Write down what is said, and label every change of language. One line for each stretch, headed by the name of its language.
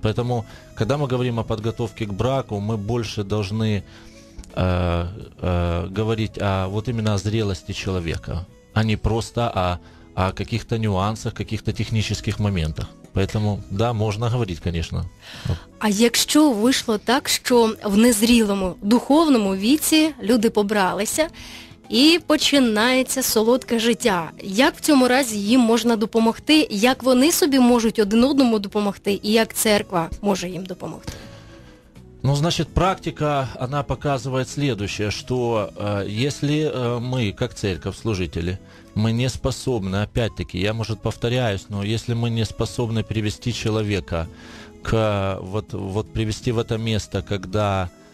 Russian: Поэтому, когда мы говорим о подготовке к браку, мы больше должны говорить о вот именно о зрелости человека, а не просто о каких-то нюансах, каких-то технических моментах. Поэтому, да, можно говорить, конечно.
Ukrainian: А якщо вийшло так, що в незрілому духовному віці люди побралися, і починається солодке життя. Як в цьому разі їм можна допомогти? Як вони собі можуть один одному допомогти? І як церква може їм допомогти? Ну, значить, практика, вона показує
Russian: следующее,
Ukrainian: що якщо ми, як
Russian: церковь,
Ukrainian: служителі, ми
Russian: не способны, опять-таки, я, може, повторяюсь, но
Ukrainian: якщо ми
Russian: не способны привести человека к вот привести в это место, когда